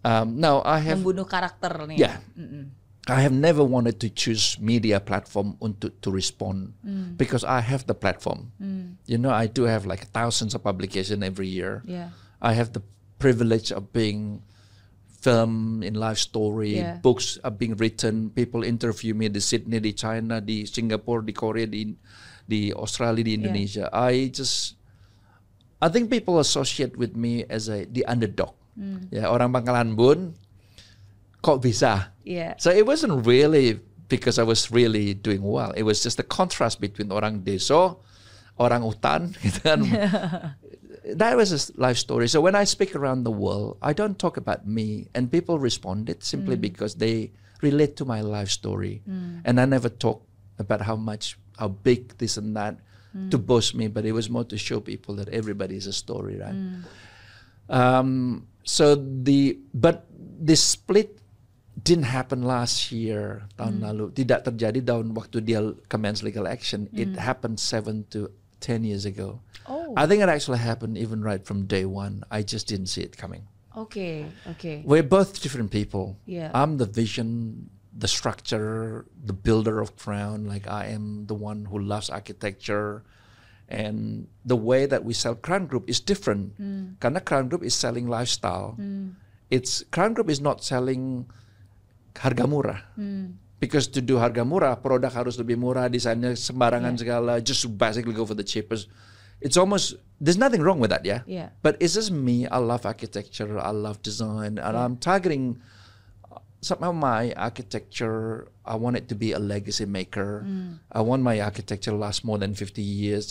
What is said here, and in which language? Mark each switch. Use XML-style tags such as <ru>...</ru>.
<en>Now I have</en> <id>membunuh karakter nih.</id> <en>Yeah, I have never wanted to choose media platform</en> <id>untuk</id> <en>to respond mm. because I have the platform. Mm. You know, I do have like thousands of publications every year. Yeah, I have the privilege of being. Film, in life story, yeah. books are being written, people interview me di Sydney, di China, di Singapore, di Korea, di Australia, di Indonesia. Yeah. I think people associate with me as the underdog. Mm.</en> <id>Yeah, orang Pangkalan Bun, kok bisa?</id> <en>Yeah. So it wasn't really because I was really doing well. It was just the contrast between</en> <id>orang deso, orang hutan, gitu kan.</id> <en>That was a life story. So when I speak around the world, I don't talk about me, and people responded simply mm. because they relate to my life story. Mm. And I never talk about how big this and that mm. to boast me, but it was more to show people that everybody is a story, right? Mm. But the split didn't happen last year, tahun mm. lalu.</en> <id>Tidak terjadi tahun waktu dia</id> <en>commence legal action. Mm. It happened 7 to 10 years ago. Oh. I think it actually happened even right from day one. I just didn't see it coming. Okay, okay. We're both different people. Yeah. I'm the vision, the structure, the builder of Crown. Like I am the one who loves architecture. And the way that we sell Crown Group is different. Mm.</en> <id>Karena</id> <en>Crown Group is selling lifestyle. Mm. It's Crown Group is not selling</en> <id>harga murah. Mm.</id> <en>Because to do</en> <id>harga murah, produk harus lebih murah, desainnya sembarangan yeah.</id> <en>segala, just basically go for the cheapest. It's almost, there's nothing wrong with that, yeah? Yeah. But it's just me, I love architecture, I love design, and yeah. I'm targeting somehow my architecture, I want it to be a legacy maker. Mm. I want my architecture last more than 50 years.</en>